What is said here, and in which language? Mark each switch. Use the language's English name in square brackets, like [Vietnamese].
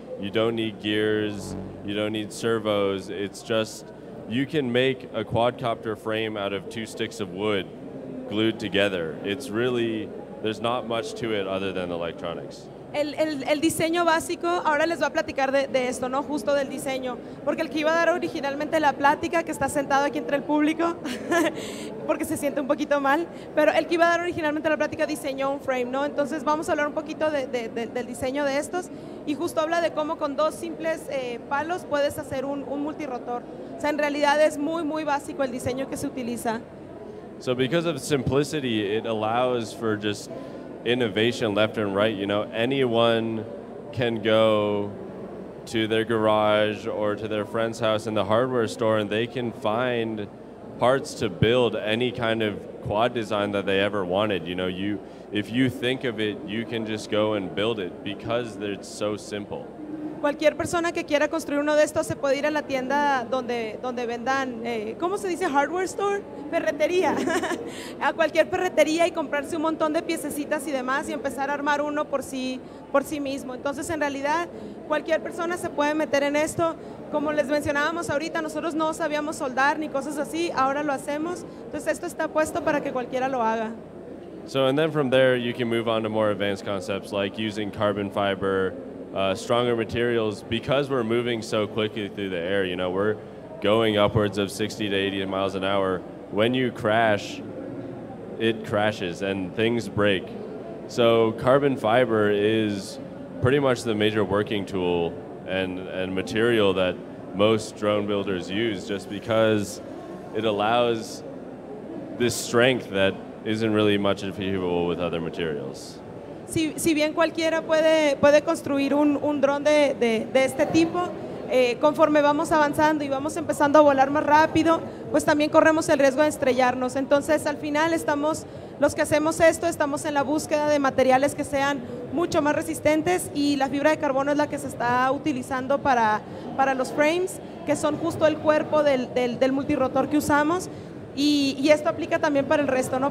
[English] You don't need gears. You don't need servos. It's just, you can make a quadcopter frame out of two sticks of wood glued together. It's really, there's not much to it other than electronics. [Spanish] El diseño básico, ahora les voy a platicar de esto, ¿no? Justo del diseño, porque el que iba a dar originalmente la plática, que está sentado aquí entre el público, porque se siente un poquito mal, pero el que iba a dar originalmente la plática diseñó un frame, ¿no? Entonces vamos a hablar un poquito del diseño de estos, y justo habla de cómo con dos simples palos puedes hacer un multirrotor. O sea, en realidad es muy, muy básico el diseño que se utiliza. [English] So because of simplicity, it allows for just innovation left and right. You know, anyone can go to their garage or to their friend's house in the hardware store and they can find parts to build any kind of quad design that they ever wanted. You know, if you think of it, you can just go and build it because it's so simple. [Spanish] Cualquier persona que quiera construir uno de estos se puede ir a la tienda donde vendan, ¿cómo se dice? [English] ¿Hardware store? [Spanish] Ferretería. A cualquier ferretería y comprarse un montón de piececitas y demás y empezar a armar uno por sí mismo. Entonces, en realidad, cualquier persona se puede meter en esto. Como les mencionábamos ahorita, nosotros no sabíamos soldar ni cosas así. Ahora lo hacemos. Entonces, esto está puesto para que cualquiera lo haga. [English] So, and then from there, you can move on to more advanced concepts like using carbon fiber, stronger materials, because we're moving so quickly through the air. You know, we're going upwards of 60 to 80 miles an hour. When you crash, it crashes and things break. So carbon fiber is pretty much the major working tool and material that most drone builders use, just because it allows this strength that isn't really much achievable with other materials. [Spanish] Si bien cualquiera puede construir un dron de este tipo, conforme vamos avanzando y vamos empezando a volar más rápido, pues también corremos el riesgo de estrellarnos. Entonces, al final estamos, los que hacemos esto, estamos en la búsqueda de materiales que sean mucho más resistentes, y la fibra de carbono es la que se está utilizando para los frames, que son justo el cuerpo del multirrotor que usamos, y esto aplica también para el resto, ¿no?